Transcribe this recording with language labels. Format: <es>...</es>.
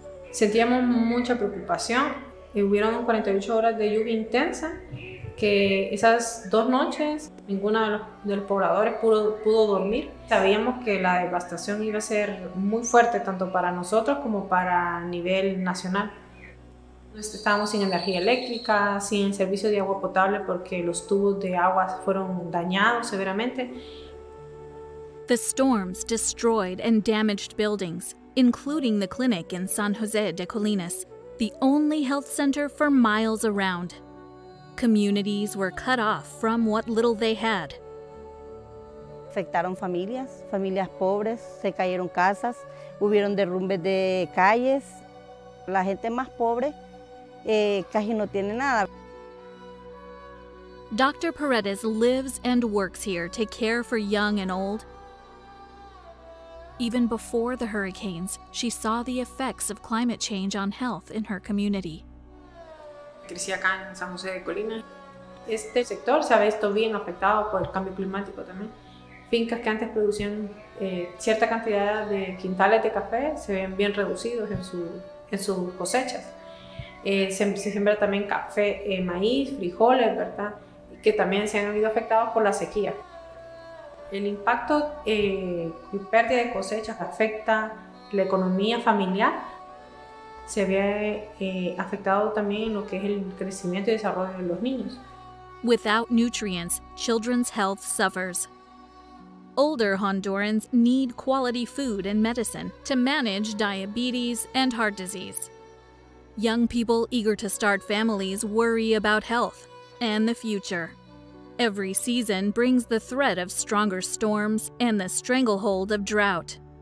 <es>Sentíamos mucha preocupación. Hubieron 48 horas de lluvia intensa, que esas dos noches ninguno de los pobladores pudo dormir. Sabíamos que la devastación iba a ser muy fuerte tanto para nosotros como para nivel nacional. Estábamos sin energía eléctrica, sin servicio de agua potable porque los tubos de agua fueron dañados severamente.</es> <en>The storms destroyed and damaged buildings, including the clinic in San Jose de Colinas, the only health center for miles around. communities were cut off from what little they had.</en> <es>Afectaron familias, familias pobres, se cayeron casas, hubieron derrumbes de calles. La gente más pobre casi no tiene nada.</es> <en>Dr. Paredes lives and works here to care for young and old. Even before the hurricanes, she saw the effects of climate change on health in her community.</en> <es>Crecí acá en San José de Colina. Este sector se ha visto bien afectado por el cambio climático también. Fincas que antes producían cierta cantidad de quintales de café se ven bien reducidos en sus cosechas. Se siembra también café, maíz, frijoles, ¿verdad? Que también se han visto afectados por la sequía. El impacto y pérdida de cosechas afecta la economía familiar. Se ve afectado también lo que es el crecimiento y desarrollo de los niños.</es> <en>Without nutrients, children's health suffers. Older Hondurans need quality food and medicine to manage diabetes and heart disease. Young people eager to start families worry about health and the future. Every season brings the threat of stronger storms and the stranglehold of drought.</en>